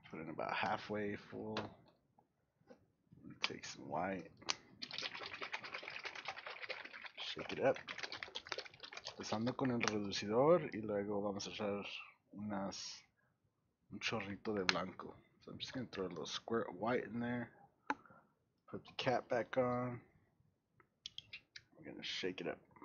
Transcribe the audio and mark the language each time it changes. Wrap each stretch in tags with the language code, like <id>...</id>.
<en>About halfway full. Take some white, shake it up.</en> <es>Empezando con el reducidor y luego vamos a echar un chorrito de blanco.</es> <en>So I'm just gonna throw a little squirt of white in there. Put the cap back on. We're gonna shake it up.</en>